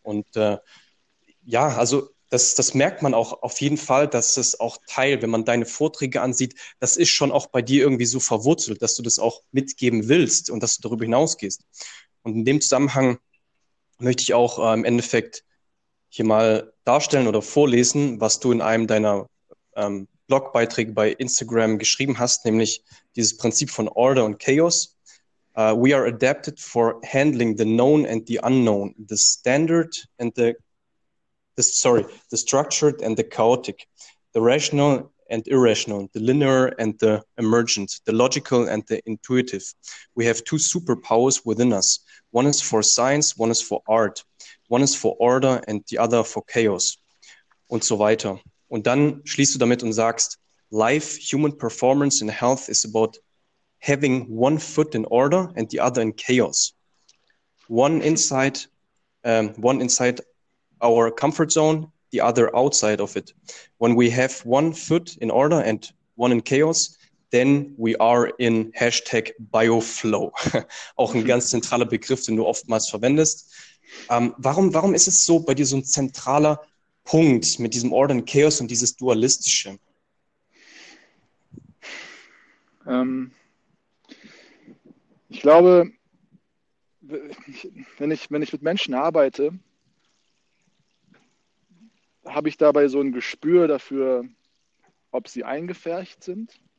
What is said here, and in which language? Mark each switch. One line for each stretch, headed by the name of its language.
German: Und ja, also das merkt man auch auf jeden Fall, dass es auch Teil, wenn man deine Vorträge ansieht, das ist schon auch bei dir irgendwie so verwurzelt, dass du das auch mitgeben willst und dass du darüber hinausgehst. Und in dem Zusammenhang möchte ich auch im Endeffekt hier mal darstellen oder vorlesen, was du in einem deiner Blogbeiträge bei Instagram geschrieben hast, nämlich dieses Prinzip von Order und Chaos.
English: We are adapted for handling the known and the unknown, the standard and the structured and the chaotic, the rational and irrational, the linear and the emergent, the logical and the intuitive. We have two superpowers within us. One is for science, one is for art. One is for order and the other for chaos.
German: Und so weiter. Und dann schließt du damit und sagst,
English: Life, human performance and health is about having one foot in order and the other in chaos. One inside our comfort zone, the other outside of it. When we have one foot in order and one in chaos, then we are in Hashtag Bioflow.
German: Auch ein ganz zentraler Begriff, den du oftmals verwendest. Warum ist es so bei dir so ein zentraler Punkt mit diesem Order und Chaos und dieses Dualistische? Ich glaube, wenn ich mit Menschen arbeite, habe ich dabei so ein Gespür dafür, ob sie eingepfercht sind.